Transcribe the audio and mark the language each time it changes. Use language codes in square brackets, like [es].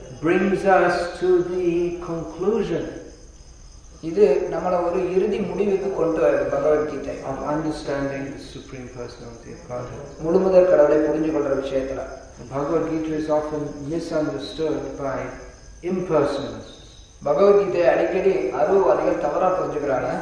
[en] Brings us to the conclusion. [ta] இது நம்மள ஒரு இறுதி முடிவுக்கு கொண்டு வருது Bhagavad Gita. [en] Of understanding the Supreme Personality of Godhead. [ta] முழுமுதல் கடவுளை புரிஞ்சு கொள்ற விஷயத்துல. [en] Bhagavad Gita is often misunderstood by impersonalists. [ta] Bhagavad Gita அடிக்கடி அருவவாதிகள் தவறா புரிஞ்சுக்கிறாங்க.